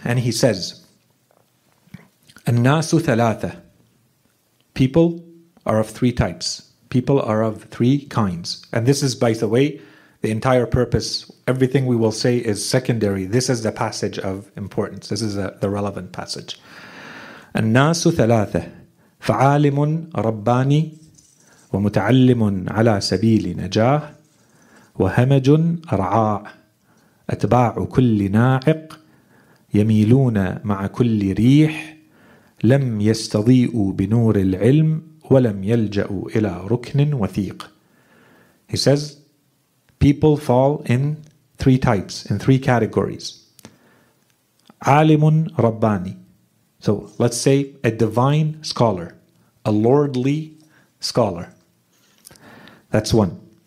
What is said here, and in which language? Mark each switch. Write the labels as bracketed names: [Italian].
[English] And he says, [Arabic] الناس ثلاثة. [English] People are of three types. People are of three kinds. And this is, by the way, the entire purpose, everything we will say is secondary. This is the passage of importance. This is the relevant passage. [Arabic] الناس ثلاثة فعالم رباني ومتعلم على سبيل نجاه وهمج رعاء أتباع كل ناعق يميلون مع كل ريح لم يستضيئوا بنور العلم ولم يلجأوا إلى ركن وثيق. [English] He says, people fall in three types, in three categories. [Arabic] عالم رباني. [English] So let's say a divine scholar, a lordly scholar. That's one.